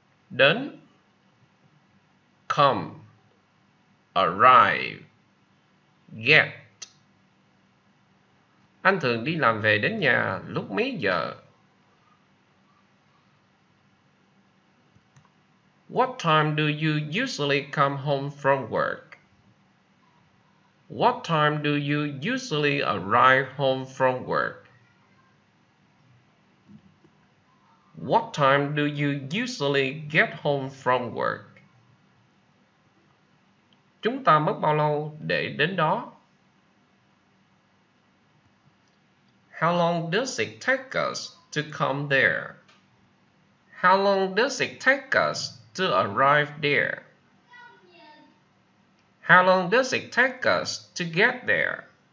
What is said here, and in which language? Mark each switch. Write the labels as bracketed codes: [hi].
[vi] Đến. [en] Come. Arrive. Get. [vi] Anh thường đi làm về đến nhà lúc mấy giờ? [en] What time do you usually come home from work? What time do you usually arrive home from work? What time do you usually get home from work? [vi] Chúng ta mất bao lâu để đến đó? [en] How long does it take us to come there? How long does it take us to arrive there? How long does it take us to get there?